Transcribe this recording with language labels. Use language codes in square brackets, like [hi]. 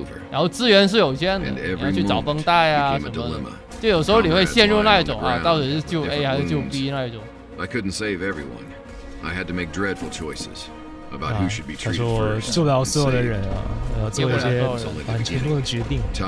[zh] 然后资源是有限的，你要去找绷带啊什么的，就有时候你会陷入那一种啊，到底是救 A 还是救 B 那一种。 [en] I couldn't save everyone. I had to make dreadful choices. [zh] 他说我救不了所有的人啊，要做一些很沉重的决定。